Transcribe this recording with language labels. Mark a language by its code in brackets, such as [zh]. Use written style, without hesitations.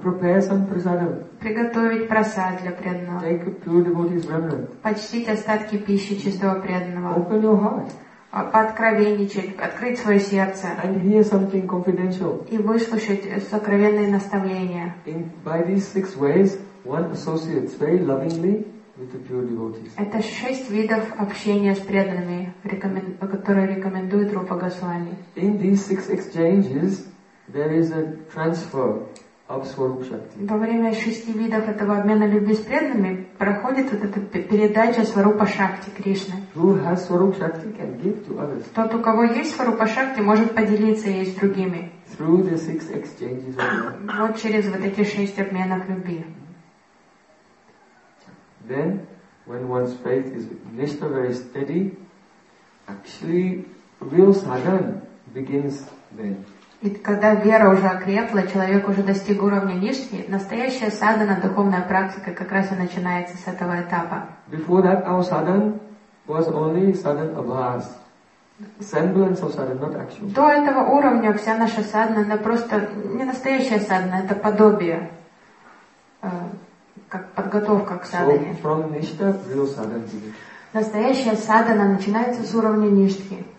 [en] Prepare some prasadam. [ru] Приготовить прасад для преданного. [en] Take a pure devotee's remnant. [ru] Почтить остатки пищи чистого преданного. [en] Open your heart. [ru] Пооткровенничать, открыть свое сердце. [en] And hear something confidential. [ru] И выслушать сокровенные наставления. [en] In, by these six ways, one associates very lovingly with the pure devotees. [ru] Это шесть видов общения с преданными, которые рекомендует Рупа Госвами. [en] In these six exchanges, there is a transfer of Swarup Shakti. [ru] Во время шести видов этого обмена любви с преданными проходит вот эта передача Сварупа Шакти Кришны. [en] Who has Swarup Shakti can give to others. [ru] Тот, у кого есть Сварупа Шакти, может поделиться ей с другими. [en] Through the six exchanges of love. [ru] Вот через вот эти шесть обменов любви. [en] Then, when one's faith is nishtha very steady, actually real sadhana begins then. [ru] И когда вера уже окрепла, человек уже достиг уровня ништи, настоящая садхана, духовная практика как раз и начинается с этого этапа. [en] Before that our sadhana was only sadhana abhas, semblance of sadhana, not actual. [ru] До этого уровня вся наша садхана, она просто не настоящая садхана, это подобие, как подготовка к садхане. [en] So from nishtha, real sadhana begins. [ru] Настоящая садхана начинается с уровня ништхи.